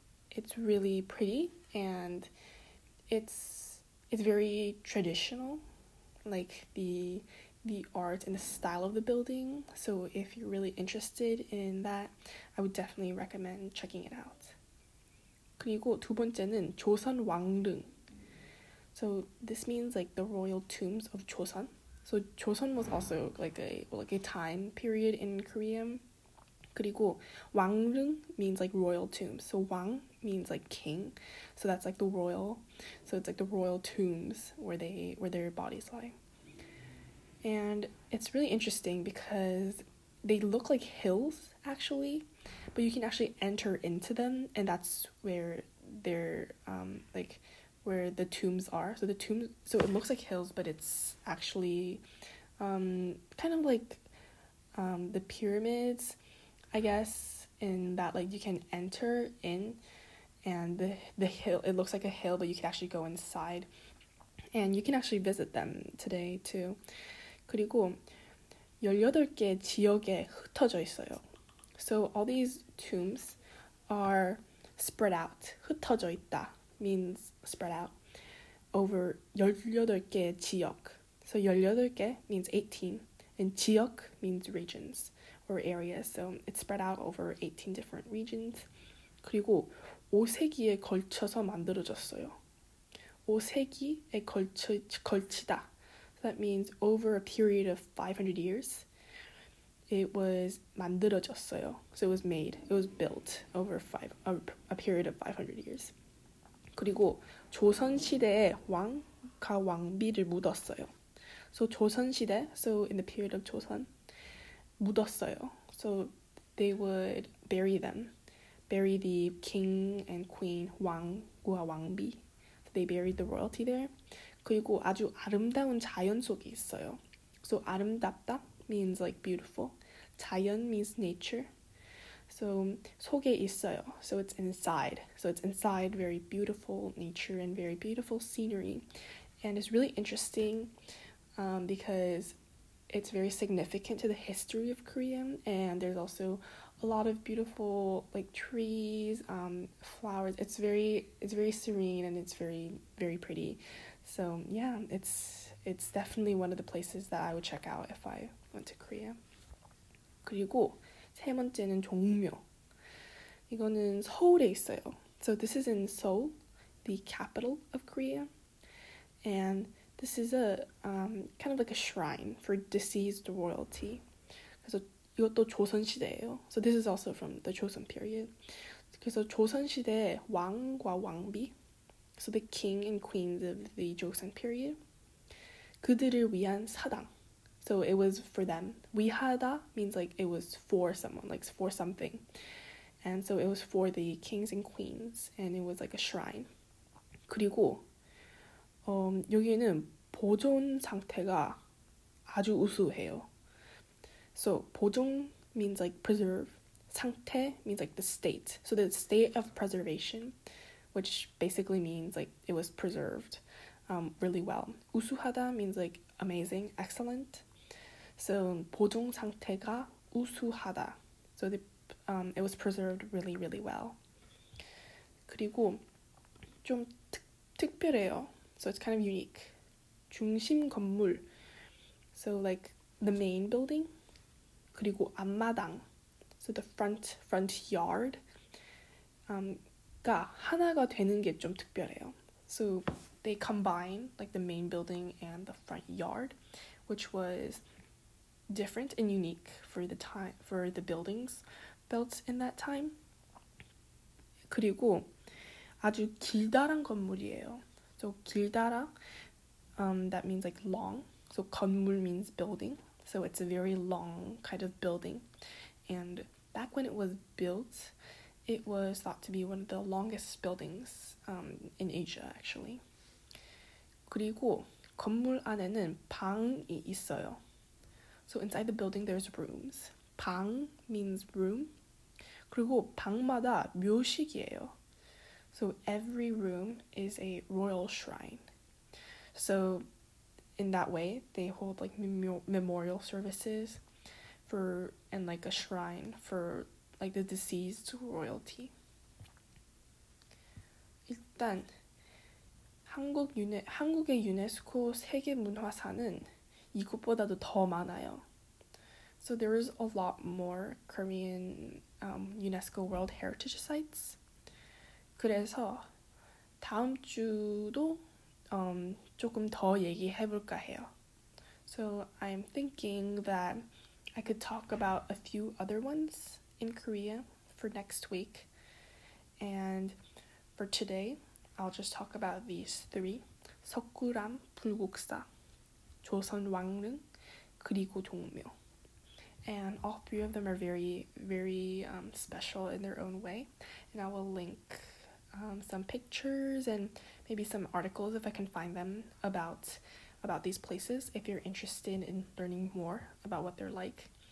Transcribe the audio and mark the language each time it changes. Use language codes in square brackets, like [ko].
[en] It's really pretty and it's very traditional, like the art and the style of the building. So if you're really interested in that, I would definitely recommend checking it out. [ko] 그리고 두 번째는 조선 왕릉. [en] So this means like the royal tombs of Joseon. So Joseon was also like a time period in Korea. [ko] 그리고 왕릉 [en] means like royal tomb. So 왕 means like king. So that's like the royal. So it's like the royal tombs where they where their bodies lie. And it's really interesting because they look like hills actually, but you can actually enter into them, and that's where they're like where the tombs are. So the tombs, so it looks like hills, but it's actually kind of like the pyramids, I guess, in that like you can enter in, and the hill, it looks like a hill, but you can actually go inside, and you can actually visit them today too. [ko] 그리고 18개 지역에 흩어져 있어요. [en] So all these tombs are spread out. [ko] 흩어져 있다 [en] means spread out over [ko] 18개 지역. [en] So 18개 means 18, and 지역 means regions or areas. So it's spread out over 18 different regions. [ko] 그리고 5세기에 걸쳐서 만들어졌어요. 5세기에 걸치다. [en] That means over a period of 500 years, it was 만들어졌어요. So it was made, it was built over a period of 500 years. [ko] 그리고 조선시대에 왕과 왕비를 묻었어요. [en] So 조선시대, so in the period of 조선, 묻었어요. So they would bury them, bury the king and queen, [ko] 왕과 왕비. [en] So they buried the royalty there. [ko] 그리고 아주 아름다운 자연 속에 있어요. [en] So 아름답다 means like beautiful. 자연 means nature. So [ko] 속에 있어요. [en] So it's inside. So it's inside very beautiful nature and very beautiful scenery. And it's really interesting because it's very significant to the history of Korea. And there's also a lot of beautiful like trees, flowers. It's very serene and it's very, very pretty. So yeah, it's definitely one of the places that I would check out if I went to Korea. [ko] 그리고 세 번째는 종묘. 이거는 서울에 있어요. [en] So this is in Seoul, the capital of Korea. And this is a kind of like a shrine for deceased royalty. [ko] 그래서 이것도 조선 시대예요. [en] So this is also from the Joseon period. [ko] 그래서 조선 시대에 왕과 왕비, [en] so the king and queens of the Joseon period, [ko] 그들을 위한 사당. [en] So it was for them. 위하다 means like it was for someone, like for something. And so it was for the kings and queens, and it was like a shrine. [ko] 그리고 여기는 보존 상태가 아주 우수해요. [en] So 보존 means like preserve. 상태 means like the state. So the state of preservation, which basically means like it was preserved really well. 우수하다 means like amazing, excellent. [ko] So 보존 상태가 우수하다. [en] So the it was preserved really, really well. [ko] 그리고 좀 특별해요. [en] So it's kind of unique. [ko] 중심 건물. [en] So like the main building. [ko] 그리고 앞마당. [en] So the front yard. [ko] 가 하나가 되는 게 좀 특별해요. [en] So they combine like the main building and the front yard, which was different and unique for the time, for the buildings built in that time. [ko] 그리고 아주 길다란 건물이에요. [en] So 길다라, that means like long. So 건물 means building. So it's a very long kind of building. And back when it was built, it was thought to be one of the longest buildings in Asia, actually. [ko] 그리고 건물 안에는 방이 있어요. [en] So inside the building, there's rooms. 방 means room. [ko] 그리고 방마다 묘식이에요. [en] So every room is a royal shrine. So in that way, they hold like memorial services for, and like a shrine for like the deceased royalty. [ko] 일단 한국의 유네스코 세계 문화산은 이곳보다도 더 많아요. [en] So there is a lot more Korean UNESCO World Heritage sites. [ko] 그래서 다음 주도 조금 더 얘기해 볼까 해요. [en] So I'm thinking that I could talk about a few other ones in Korea for next week. And for today, I'll just talk about these three. [ko] 석굴암 불국사, 조선 왕릉, 그리고 동묘. [en] And all three of them are very, very special in their own way. And I will link some pictures and maybe some articles if I can find them about these places if you're interested in learning more about what they're like.